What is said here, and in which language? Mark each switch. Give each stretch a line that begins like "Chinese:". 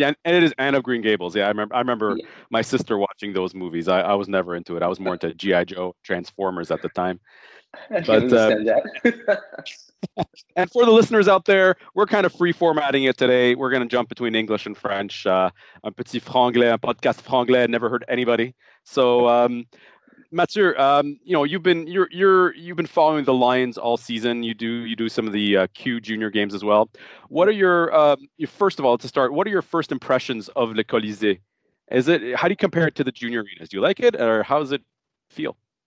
English: Yeah, and it is Anne of Green Gables. Yeah, I remember my sister watching those movies. I was never into it. I was more into G.I. Joe, Transformers at the time. But, I understand that. And for the listeners out there, we're kind of free formatting it today. We're going to jump between English and French.
French: Un petit franglais, un podcast franglais.
English: Never heard anybody. So, Mathieu, you've been following the Lions all season. You do some of the Q Junior games as well. What are what are your first impressions of Le Colisée? How do you compare it to the Junior Arenas? Do you like it, or how does it feel?